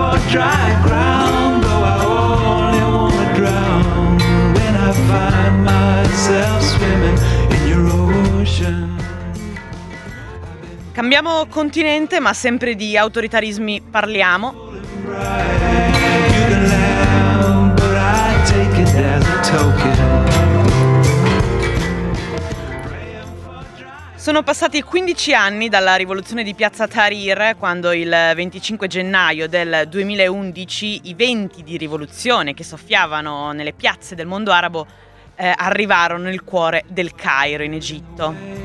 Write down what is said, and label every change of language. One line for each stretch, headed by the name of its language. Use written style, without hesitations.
English: Dry ground, though I only wanna drown when I find myself swimming in your ocean.
Italian: Cambiamo continente, ma sempre di autoritarismi parliamo.
English: You can laugh, but I take it as a token.
Italian: Sono passati 15 anni dalla rivoluzione di Piazza Tahrir, quando il 25 gennaio del 2011 i venti di rivoluzione che soffiavano nelle piazze del mondo arabo arrivarono nel cuore del Cairo, in Egitto.